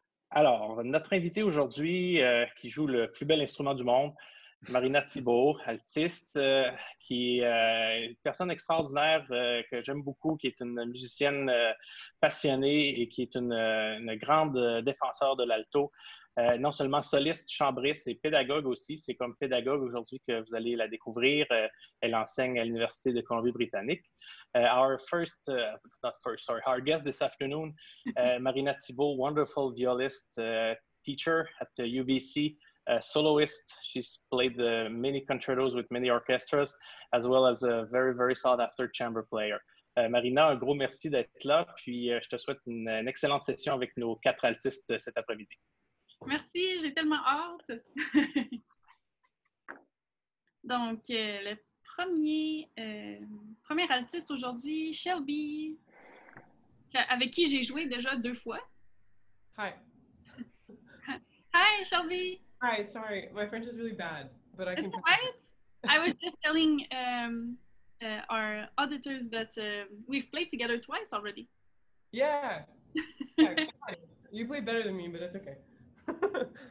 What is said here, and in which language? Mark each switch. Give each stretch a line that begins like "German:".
French: Alors, notre invitée aujourd'hui, qui joue le plus bel instrument du monde, Marina Thibeault, altiste, qui est une personne extraordinaire que j'aime beaucoup, qui est une musicienne passionnée et qui est une grande défenseure de l'alto. Non seulement soliste, chambriste et pédagogue aussi, c'est comme pédagogue aujourd'hui que vous allez la découvrir. Elle enseigne à l'Université de Colombie-Britannique.
English: Our guest this afternoon, Marina Thibeault, wonderful violist, teacher at the UBC, soloist. She's played many concertos with many orchestras, as well as a very, very sought-after chamber player.
French: Marina, un gros merci d'être là, puis je te souhaite une excellente session avec nos quatre altistes cet après-midi. Merci, j'ai tellement hâte! Donc, le premier altiste aujourd'hui, Shelby, avec qui j'ai joué déjà deux fois.
English: Hi! Hi, Shelby! Hi, sorry, my French is really bad, but I is can... Is that right? I was just telling our auditors that we've played together twice already. Yeah! Yeah, you play better than me, but that's okay.